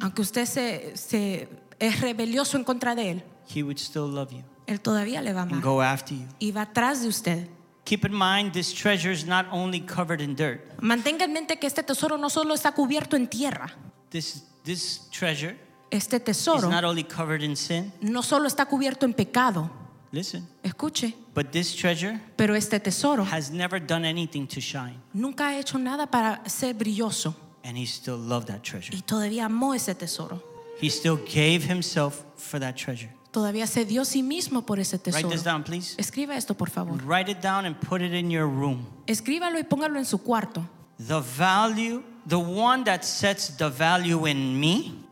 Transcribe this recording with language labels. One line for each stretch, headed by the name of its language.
Spanish: aunque usted se es rebelioso en contra de él,
English: he would still love you.
Spanish: Él todavía le va a amar.
English: And go after you.
Spanish: Y va tras de usted.
English: Keep in mind this treasure is not only covered in dirt.
Spanish: Mantenga en mente que este tesoro no solo está cubierto en tierra.
English: This treasure,
Spanish: este tesoro,
English: is not only covered in sin.
Spanish: No solo está cubierto en pecado.
English: Listen.
Spanish: Escuche.
English: But this treasure,
Spanish: pero este tesoro,
English: has never done anything to shine.
Spanish: Nunca ha hecho nada para ser brilloso.
English: And he still loved that treasure.
Spanish: Y todavía amó ese tesoro.
English: He still gave himself for that treasure.
Spanish: Todavía se dio sí mismo por ese tesoro.
English: Write this down, please.
Spanish: Escriba esto, por favor.
English: Write it down and put it in your room.
Spanish: Escríbalo y póngalo en su cuarto.
English: The value, the one that sets the value in me,